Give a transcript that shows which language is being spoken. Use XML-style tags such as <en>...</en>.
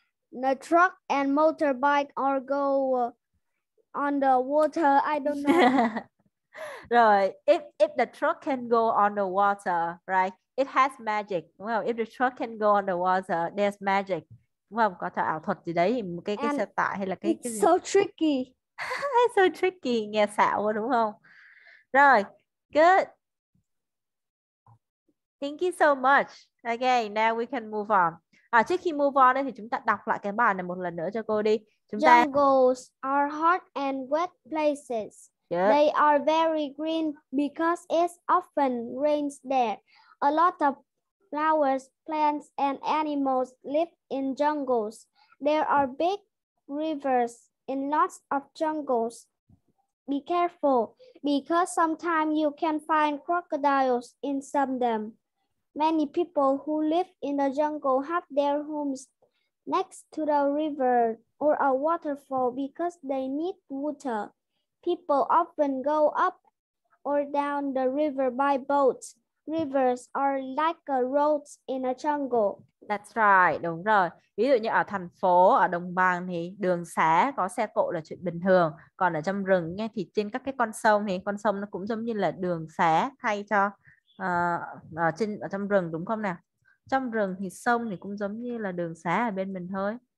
<en>The truck and motorbike are go on the water. I don't the truck can go on the water, right? It has magic. Well, if the truck can go on the water, there's magic.</en> <vi>Đúng không? Có thể ảo thuật gì đấy, cái xe</vi> <en>And</en> <vi>tải hay là cái gì.</vi> <en>it's so tricky. So tricky,</en> <vi>nghe xạo quá đúng không? Rồi,</vi> <en>you so much. Okay, now we can move on.</en> <vi>À, trước khi move on đấy thì chúng ta đọc lại cái bài này một lần nữa cho cô đi. Chúng ta</vi> <en>Jungles are hot and wet places. They are very green because it often rains there. A lot of flowers, plants, and animals live in jungles. There are big rivers in lots of jungles. Be careful because sometimes you can find crocodiles in some of them. Many people who live in the jungle have their homes next to the river or a waterfall because they need water. People often go up or down the river by boat. Rivers are like a road in a jungle. That's right,</en> <vi>đúng rồi. Ví dụ như ở thành phố, ở đồng bằng thì đường xá có xe cộ là chuyện bình thường. Còn ở trong rừng nghe thì trên các cái con sông thì con sông nó cũng giống như là đường xá thay cho trên ở trong rừng đúng không nào? Trong rừng thì sông thì cũng giống như là đường xá ở bên mình thôi.</vi>